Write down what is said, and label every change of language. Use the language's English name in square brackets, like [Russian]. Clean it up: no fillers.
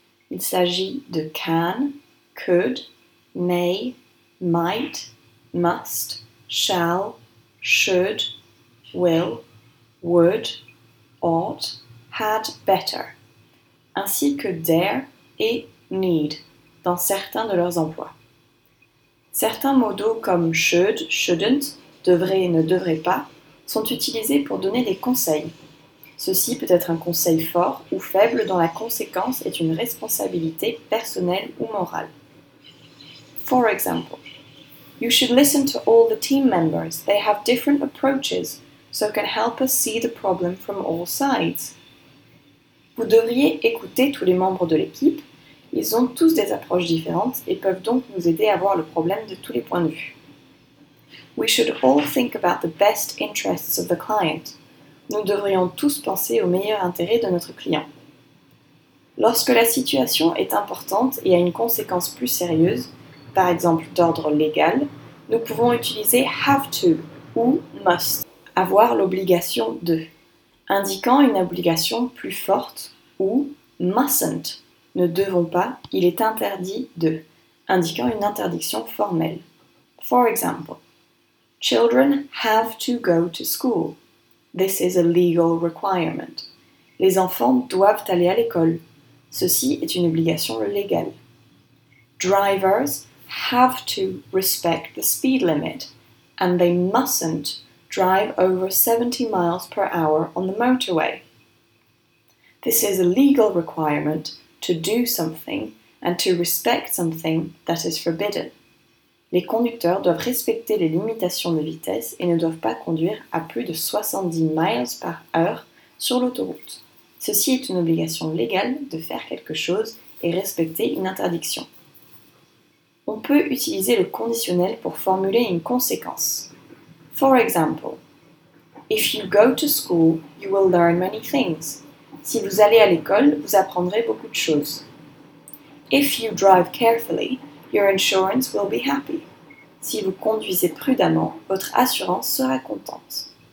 [French] Il s'agit de [English] can, could, may, might, must, shall, should, will, would, ought, had, better, [French] ainsi que dare et need dans certains de leurs emplois. Certains modaux comme [English] should, shouldn't, [French] devrait, ne devrait pas, sont utilisés pour donner des conseils. Ceci peut être un conseil fort ou faible dont la conséquence est une responsabilité personnelle ou morale. [English] For example, you should listen to all the team members. They have different approaches, so can help us see the problem from all sides. [French] Vous devriez écouter tous les membres de l'équipe. Ils ont tous des approches différentes et peuvent donc nous aider à voir le problème de tous les points de vue. [English] We should all think about the best interests of the client. [French] Nous devrions tous penser au meilleur intérêt de notre client. Lorsque la situation est importante et a une conséquence plus sérieuse, par exemple d'ordre légal, nous pouvons utiliser [English] have to [French] ou must, avoir l'obligation de, indiquant une obligation plus forte, ou [English] mustn't, [French] ne devons pas, il est interdit de, indiquant une interdiction formelle. [English] For example, children have to go to school. This is a legal requirement. [French] Les enfants doivent aller à l'école. Ceci est une obligation légale. [English] Drivers have to respect the speed limit and they mustn't drive over 70 miles per hour on the motorway. This is a legal requirement to do something and to respect something that is forbidden. [French] Les conducteurs doivent respecter les limitations de vitesse et ne doivent pas conduire à plus de 70 miles par heure sur l'autoroute. Ceci est une obligation légale de faire quelque chose et respecter une interdiction. On peut utiliser le conditionnel pour formuler une conséquence. [English] For example, if you go to school, you will learn many things. [French] Si vous allez à l'école, vous apprendrez beaucoup de choses. [English] If you drive carefully, your insurance will be happy. [French] Si vous conduisez prudemment, votre assurance sera contente.